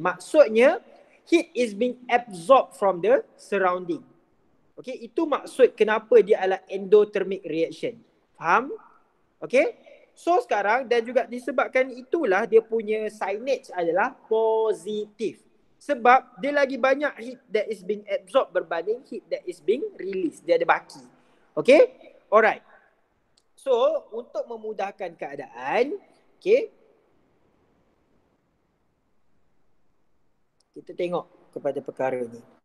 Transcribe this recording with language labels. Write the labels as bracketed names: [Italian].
[Malay] Maksudnya, [English] heat is being absorbed from the surrounding. [Malay] Okay, itu maksud kenapa dia adalah endothermic reaction. Faham? Okay? So sekarang, dan juga disebabkan itulah dia punya signage adalah positif. Sebab dia lagi banyak [English] heat that is being absorbed [Malay] berbanding [English] heat that is being released. [Malay] Dia ada baki. Okay? Alright. So, untuk memudahkan keadaan, okay, kita tengok kepada perkara ni.